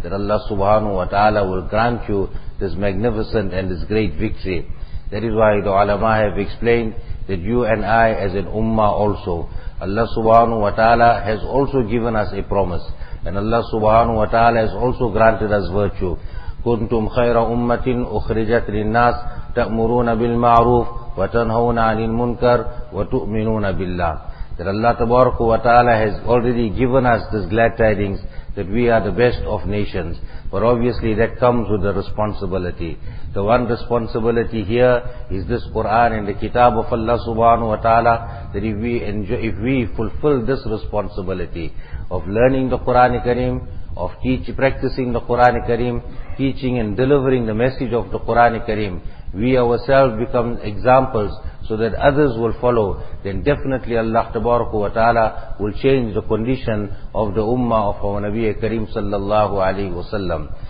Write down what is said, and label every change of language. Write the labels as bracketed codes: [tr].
[en] that Allah subhanahu wa ta'ala will grant you this magnificent and this great victory. That is why the ulama have explained that you and I as an ummah also, Allah subhanahu wa ta'ala has also given us a promise. And Allah subhanahu wa ta'ala has also granted us virtue. [ar] كنتم خير أمة أخرجت للناس تأمرون بالمعروف وتنهون عن المنكر وتؤمنون بالله. [en] That Allah tabaraka wa ta'ala has already given us this glad tidings that we are the best of nations. But obviously that comes with a responsibility. The one responsibility here is this Quran and the Kitab of Allah subhanahu wa ta'ala, that if we fulfill this responsibility of learning the Quran Kareem, of practicing the Quran Kareem, teaching and delivering the message of the Quran Kareem, we ourselves become examples so that others will follow, then definitely Allah tabaraka wa ta'ala will change the condition of the ummah of our Nabi Kareem sallallahu alayhi wa sallam.